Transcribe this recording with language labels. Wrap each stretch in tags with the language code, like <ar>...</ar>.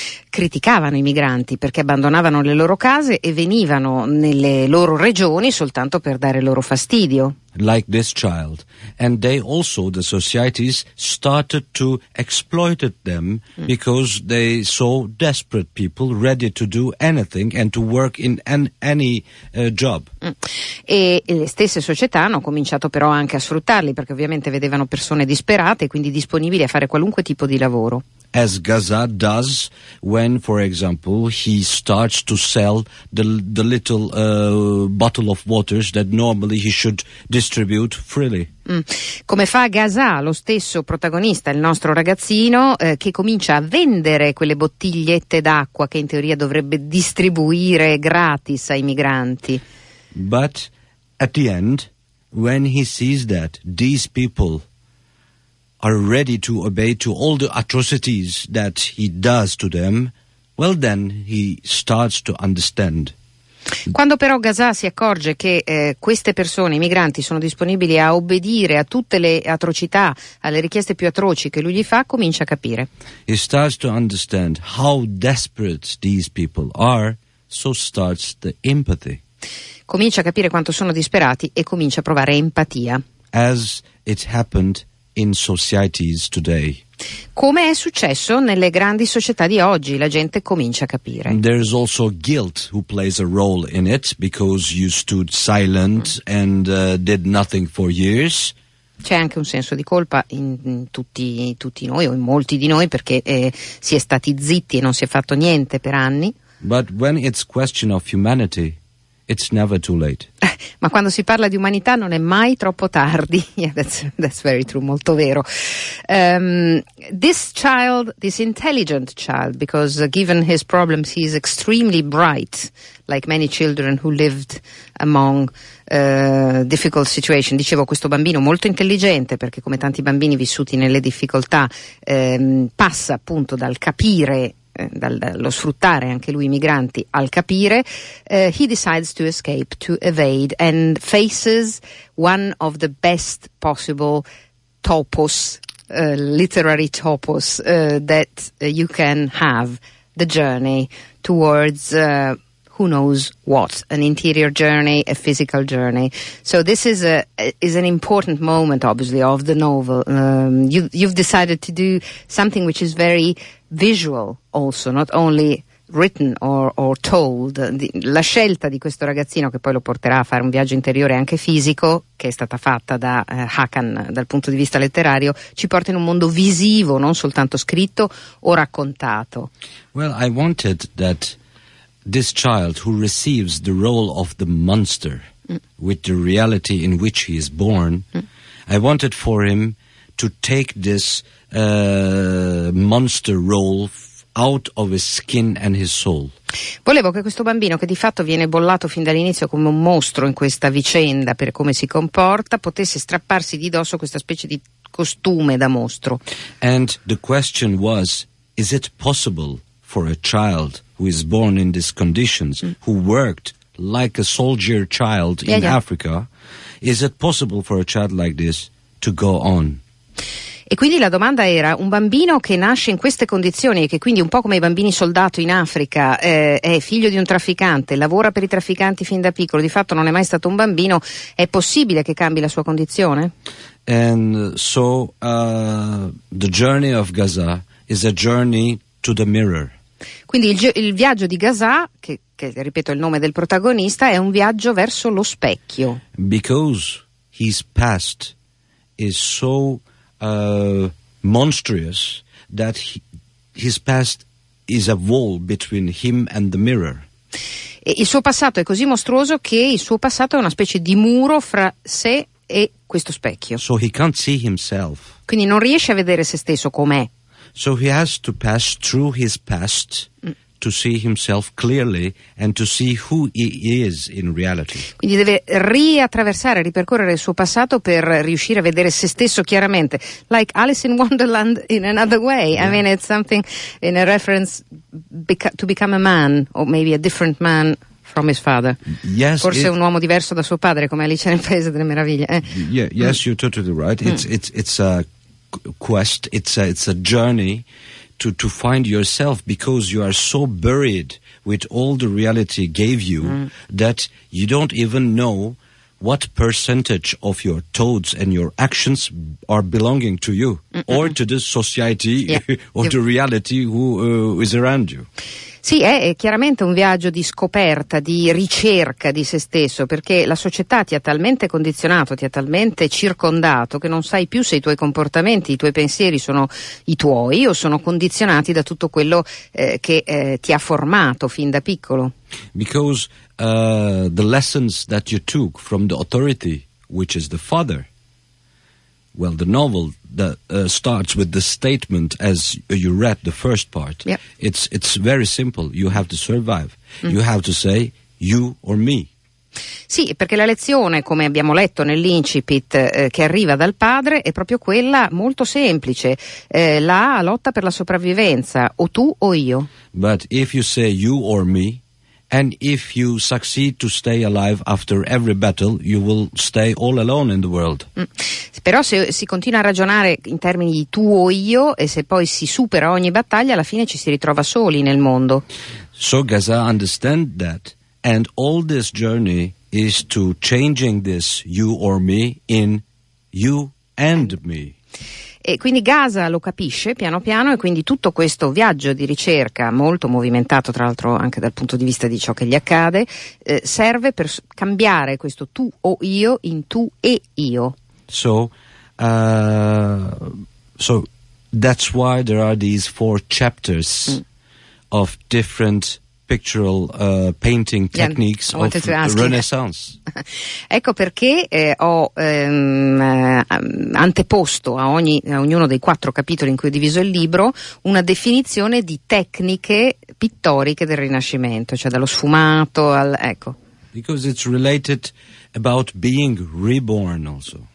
<it>Criticavano i migranti perché abbandonavano le loro case e venivano nelle loro regioni soltanto per dare loro fastidio.</it> <en>Like this child. And they also, the societies, started to exploit them because they saw desperate people ready to do anything and to work in any job.</en> <it>E le stesse società hanno cominciato però anche a sfruttarli perché ovviamente vedevano persone disperate e quindi disponibili a fare qualunque tipo di lavoro.</it> <en>As Gaza does when, for example, he starts to sell the little bottle of waters that normally he should distribute freely.</en> <it>Come fa Gaza, lo stesso protagonista, il nostro ragazzino, che comincia a vendere quelle bottigliette d'acqua che in teoria dovrebbe distribuire gratis ai migranti.</it> <en>But at the end, when he sees that these people are ready to obey to all the atrocities that he does to them, well then he starts to understand.</en> <it>Quando però Gaza si accorge che queste persone, i migranti, sono disponibili a obbedire a tutte le atrocità, alle richieste più atroci che lui gli fa, comincia a capire.</it> <en>He starts to understand how desperate these people are, so starts the empathy.</en> <it>Comincia a capire quanto sono disperati e comincia a provare empatia.</it> <en>As it happened in societies today.</en> <it>Come è successo nelle grandi società di oggi, la gente comincia a capire.</it> <en>There is also guilt who plays a role in it because you stood silent and did nothing for years.</en> <it>C'è anche un senso di colpa in tutti noi o in molti di noi perché si è stati zitti e non si è fatto niente per anni.</it> <en>But when it's question of humanity, it's never too late.</en> <it>Ma quando si parla di umanità non è mai troppo tardi.</it> <en>Yeah, that's very true,</en> <it>molto vero.</it> <en>This child, this intelligent child, because given his problems, he is extremely bright, like many children who lived among difficult situations.</en> <it>Dicevo, questo bambino molto intelligente, perché come tanti bambini vissuti nelle difficoltà, passa appunto dal capire, dallo sfruttare anche lui i migranti al capire,</it> <en>he decides to escape, to evade, and faces one of the best possible topos, literary topos, that you can have, the journey towards who knows what, an interior journey, a physical journey. So this is an important moment, obviously, of the novel. You've decided to do something which is very visual also, not only written or told.</en> <it>La scelta di questo ragazzino che poi lo porterà a fare un viaggio interiore anche fisico, che è stata fatta da Hakan dal punto di vista letterario, ci porta in un mondo visivo, non soltanto scritto o raccontato.</it> <en>Well, I wanted that this child who receives the role of the monster with the reality in which he is born, I wanted for him to take this monster role out of his skin and his soul.</en> <it>Volevo che questo bambino, che di fatto viene bollato fin dall'inizio come un mostro in questa vicenda per come si comporta, potesse strapparsi di dosso questa specie di costume da mostro.</it> <en>And the question was, is it possible for a child who is born in these conditions, who worked like a soldier child in Africa, is it possible for a child like this to go on?</en> <it>E quindi la domanda era: un bambino che nasce in queste condizioni e che quindi un po' come i bambini soldato in Africa è figlio di un trafficante, lavora per i trafficanti fin da piccolo, di fatto non è mai stato un bambino, è possibile che cambi la sua condizione?</it> <en>And so the journey of Gaza is a journey to the mirror.</en> <it>Quindi il viaggio di Gaza, che ripeto è il nome del protagonista, è un viaggio verso lo specchio.</it> <en>Because his past is so monstrous that his past is a wall between him and the mirror.</en> <it>E il suo passato è così mostruoso che il suo passato è una specie di muro fra sé e questo specchio.</it> <en>So he can't see himself.</en> <it>Quindi non riesce a vedere se stesso com'è.</it> <en>So he has to pass through his past to see himself clearly and to see who he is in reality.</en> <it>Quindi deve riattraversare, ripercorrere il suo passato per riuscire a vedere se stesso chiaramente.</it> <en>Like Alice in Wonderland in another way. Yeah. I mean, it's something in a reference to become a man or maybe a different man from his father. Yes,</en> <it>forse un uomo diverso da suo padre, come Alice nel Paese delle Meraviglie.</it> <en>Yes, you're totally right. It's a quest, it's a journey to find yourself, because you are so buried with all the reality gave you that you don't even know what percentage of your thoughts and your actions are belonging to you or to the society or the reality who is around you.</en> <it>Sì, è chiaramente un viaggio di scoperta, di ricerca di se stesso, perché la società ti ha talmente condizionato, ti ha talmente circondato che non sai più se i tuoi comportamenti, i tuoi pensieri sono i tuoi o sono condizionati da tutto quello che ti ha formato fin da piccolo.</it> <en>Because the lessons that you took from the authority, which is the father, well, the novel that starts with the statement as you read the first part. Yep. It's very simple. You have to survive. You have to say you or me.</en> <it>Sì, perché la lezione, come abbiamo letto nell'incipit che arriva dal padre, è proprio quella molto semplice. La lotta per la sopravvivenza, o tu o io.</it> <en>But if you say you or me, and if you succeed to stay alive after every battle, you will stay all alone in the world.</en> <it>Però se si continua a ragionare in termini di tu o io, e se poi si supera ogni battaglia, alla fine ci si ritrova soli nel mondo.</it> <en>So Gaza understand that, and all this journey is to changing this you or me in you and me.</en> <it>E quindi Gaza lo capisce piano piano, e quindi tutto questo viaggio di ricerca, molto movimentato tra l'altro anche dal punto di vista di ciò che gli accade, serve per cambiare questo tu o io in tu e io.</it> <en>So that's why there are these four chapters of different pictorial painting techniques of Renaissance.</en> <it>Ecco perché ho anteposto a ognuno dei quattro capitoli in cui ho diviso il libro una definizione di tecniche pittoriche del Rinascimento, cioè dallo sfumato al ecco.</it> <en>Because it's related about being reborn also.</en>